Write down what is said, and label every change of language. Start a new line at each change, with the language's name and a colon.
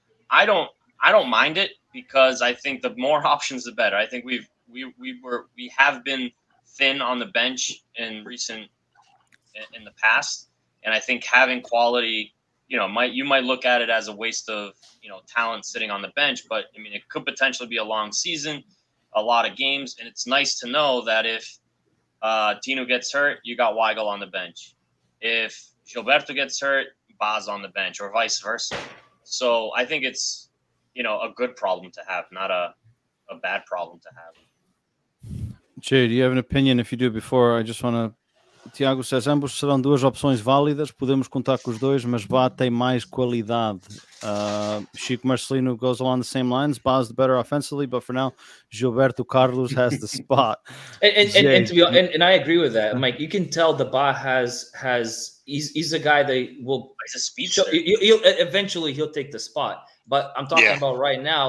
English: I don't mind it, because I think the more options, the better. I think we have been thin on the bench in the past, and I think having quality, you know, you might look at it as a waste of, you know, talent sitting on the bench, but I mean, it could potentially be a long season, a lot of games, and it's nice to know that if Tino gets hurt, you got Weigl on the bench. If Gilberto gets hurt, Baz on the bench, or vice versa. So I think it's, you know, a good problem to have, not a bad problem to have. Jay, do you have an opinion? If you do, before I just want to.
Portuguese: Tiago says ambos serão duas opções válidas. Podemos contar com os dois, mas Ba tem mais qualidade.
English: Chico Marcelino goes along the same lines. Ba is the better offensively, but for now, Gilberto Carlos has the spot. And I agree with that, Mike. You can tell the Ba has he's a guy that will. He's a speedster. He'll eventually take the spot. But I'm talking about right now.